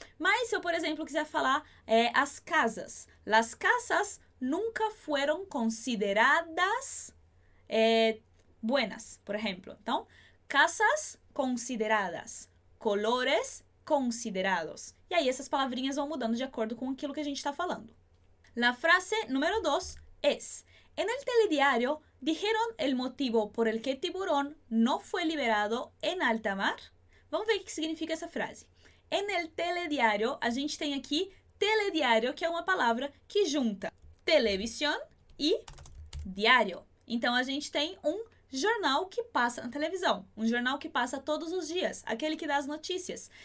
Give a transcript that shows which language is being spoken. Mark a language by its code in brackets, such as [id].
[pt] Mas se eu, por exemplo, quiser falar as casas. [es] Las casas [pt] nunca foram consideradas buenas, por exemplo. Então, casas consideradas, colores considerados. E aí essas palavrinhas vão mudando de acordo com aquilo que a gente está falando. [es] La frase número 2 es, en el telediario dijeron el motivo por el que tiburón no fue liberado en alta mar. [pt] Vamos ver o que significa essa frase. [es] En el telediario, [pt] a gente tem aqui telediario, que é uma palavra que junta televisão e diário. Então, a gente tem um jornal que passa na televisão, um jornal que passa todos os dias, aquele que dá as notícias.